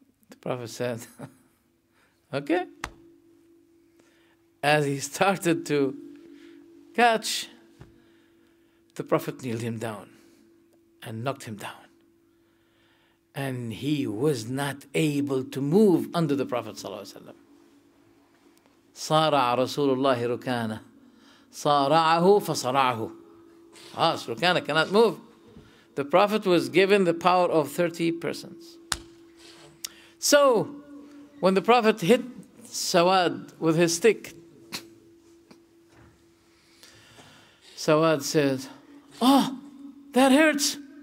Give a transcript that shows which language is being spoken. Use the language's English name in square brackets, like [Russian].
[English] The Prophet said, "Okay." As he started to catch, the Prophet kneeled him down and knocked him down. And he was not able to move under the Prophet صلى الله عليه وسلم. [Arabic] صارع رسول الله ركانة صارعه فصرعه. [English] Rukana cannot move. The Prophet was given the power of 30 persons. So, when the Prophet hit Sawad with his stick, Sawad said, "Oh, that hurts.